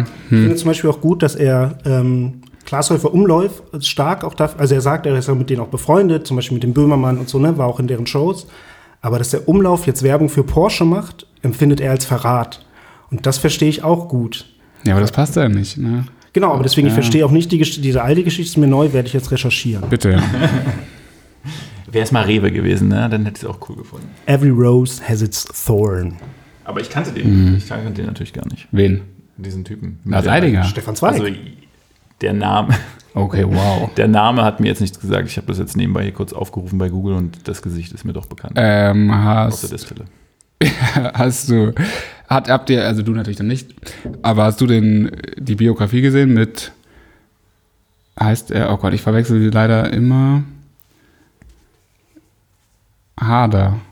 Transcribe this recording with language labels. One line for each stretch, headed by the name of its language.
German: Ich finde zum Beispiel auch gut, dass er Klaashäufer Umlauf stark auch dafür, also er sagt, er ist ja mit denen auch befreundet, zum Beispiel mit dem Böhmermann und so, ne, war auch in deren Shows, aber dass der Umlauf jetzt Werbung für Porsche macht, empfindet er als Verrat. Und das verstehe ich auch gut. Ja, aber das passt ja nicht, ne? Genau, aber deswegen, ja. Ich verstehe auch nicht diese alte Geschichte, ist mir neu, werde ich jetzt recherchieren. Bitte, ja. Wäre es mal Rewe gewesen, ne, dann hätte ich es auch cool gefunden.
English: Every rose has its thorn.
German: Aber ich kannte den. Ich kannte den natürlich gar nicht. Wen? Diesen Typen. Lars Eidinger. Stefan Zweig. Also der Name. Okay, wow. Der Name hat mir jetzt nichts gesagt. Ich habe das jetzt nebenbei hier kurz aufgerufen bei Google und das Gesicht ist mir doch bekannt. Auf der Destille. Hast du, habt ihr, also du natürlich dann nicht, aber hast du denn die Biografie gesehen mit, heißt er, oh Gott, ich verwechsel sie leider immer, Harder.